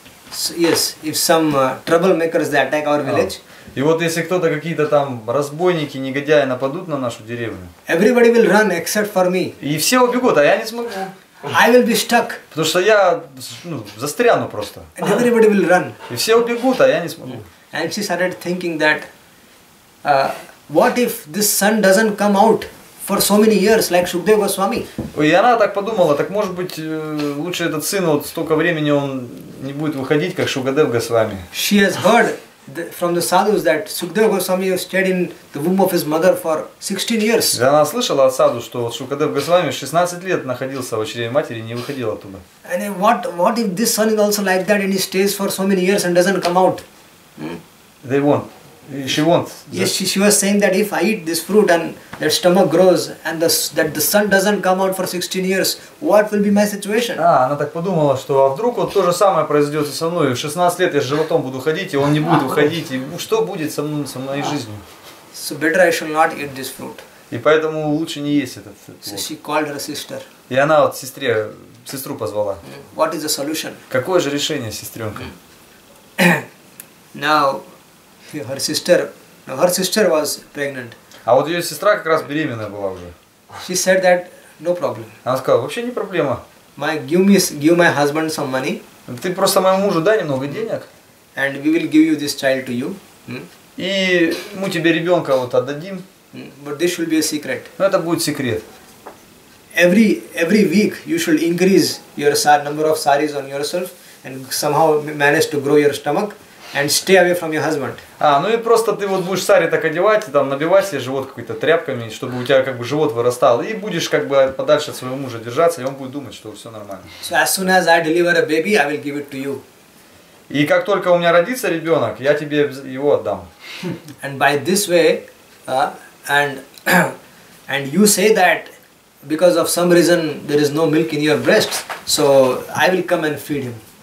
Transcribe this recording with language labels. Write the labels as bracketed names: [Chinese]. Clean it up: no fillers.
[English] So, yes, if some troublemakers they attack our village. [Russian] И вот если кто-то, какие-то там разбойники, негодяи нападут на нашу деревню. [English] Everybody will run except for me. [Russian] И все убегут, а я не смогу. [English] I will be stuck. [Russian] Потому что я застряну просто. [English] And everybody will run. [Russian] И все убегут, а я не смогу. [English] And she started thinking that, what if this son doesn't come out for so many years, like Shukdev Goswami? [Russian] И она так подумала, так может быть лучше этот сын вот столько времени он не будет выходить, как Шукадев Госвами. [English] She has heard from the sadhus that Shukdev Goswami stayed in the womb of his mother for 16 years. [Russian] Да, она слышала от саду, что Шукадев Госвами 16 лет находился в чреве матери и не выходил оттуда. [English] And what if this son is also like that and he stays for so many years and doesn't come out? They won't. She won't. Yes, she was saying that if I eat this fruit and that stomach grows and the sun doesn't come out for 16 years, what will be my situation? [Russian] Она так подумала, что а вдруг вот то же самое произойдет со мной, 16 лет я с животом буду ходить, и он не будет уходить, и что будет со моей жизнью? [English] So better I should not eat this fruit. [Russian] И поэтому лучше не есть этот плод. [English] So she called her sister. [Russian] И она вот сестру позвала. [English] What is the solution? [Russian] Какое же решение, сестренка? [English] Now her sister was pregnant. [Russian] А вот ее сестра как раз беременная была уже. [English] She said that no problem. [Russian] Она сказала, вообще не проблема. [English] My give my husband some money. [Russian] Ты просто моему мужу дай немного денег. [English] And we will give you this child to you. [Russian] И мы тебе ребенка вот отдадим. [English] But this should be a secret. [Russian] Но это будет секрет. [English] Every week you should increase your number of saris on yourself and somehow manage to grow your stomach. And stay away from your husband. [Russian] Ну и просто ты вот будешь сари так одевать, там набивать себе живот какой-то тряпками, чтобы у тебя как бы живот вырастал, и будешь как бы подальше от своего мужа держаться, и он будет думать, что все нормально. [English] So as soon as I deliver a baby, I will give it to you. [Russian] И как только у меня родится ребенок, я тебе его отдам. [English] And by this way, and you say that because of some reason there is no milk in your breasts, so I will come and feed him.